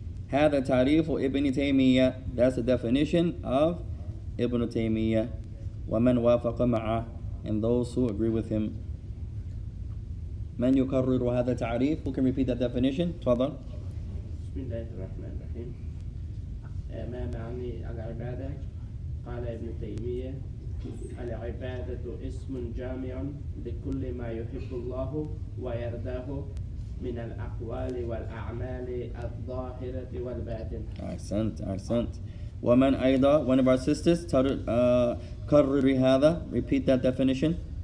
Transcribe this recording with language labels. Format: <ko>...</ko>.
<ar>هذا تعريف ابن تيمية.</ar> <en>That's the definition of ابن تيمية.</en> <ar>ومن وافق معه.</ar> <en>And those who agree with him.</en> <ar>من يكرر هذا تعريف.</ar> <en>Who can repeat that definition?</en> <ar>تفضل. بسم الله الرحمن الرحيم. ما معني العبادة؟ قال ابن تيمية. العبادة اسم جامع لكل ما يحب الله ويرداه. من الأقوال والأعمال الظاهرة والباطنة. أحسنت. ومن أيضا,</ar> <en>one of our sisters,</en> <ar>كرر هذا,</ar> <en>repeat that definition.</en>